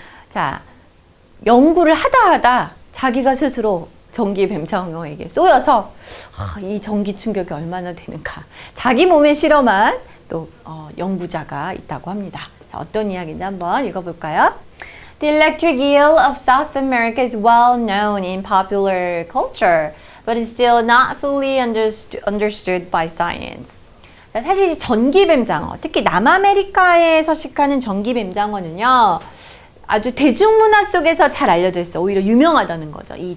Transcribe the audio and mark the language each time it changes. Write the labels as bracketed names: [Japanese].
[Korean] 자, 연구를 하다 하다 자기가 스스로 전기뱅장어에게 쏘여서 이 전기 충격이 얼마나 되는가. 자기 몸에 실험한 또 연구자가 있다고 합니다. 자, 어떤 이야기인지 한번 읽어볼까요? [English] The electric eel of South America is well known in popular culture, but is still not fully understood by science. [Korean] 사실 전기뱀장어, 특히 남아메리카에 서식하는 전기뱀장어는요, 아주 대중문화 속에서 잘 알려져 있어. 오히려 유명하다는 거죠.